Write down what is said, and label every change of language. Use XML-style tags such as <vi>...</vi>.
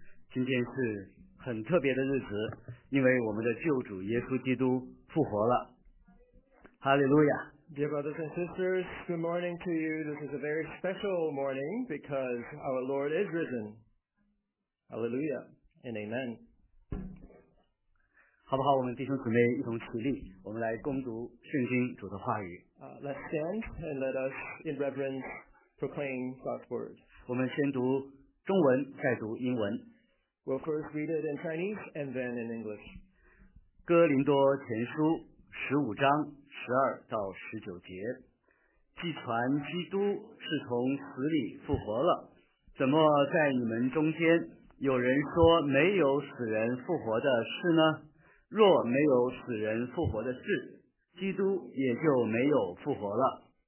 <zh>今天是很特别的日子，因为我们的救主耶稣基督复活了。哈利路亚。</zh> <en>Dear brothers and sisters, good morning to you. This is a very special morning because our Lord is risen. Hallelujah and amen.</en> <zh>好不好？我们弟兄姊妹一同起立，我们来恭读圣经主的话语。</zh> <en>Let's stand and let us in reverence proclaim God's word.</en> <zh>我们先读中文，再读英文。</zh> <en>We'll first read it in Chinese and then in English.</en> <zh>哥林多前书十五章十二到十九节，既传基督是从死里复活了，怎么在你们中间有人说没有死人复活的事呢？若没有死人复活的事，基督也就没有复活了。</zh>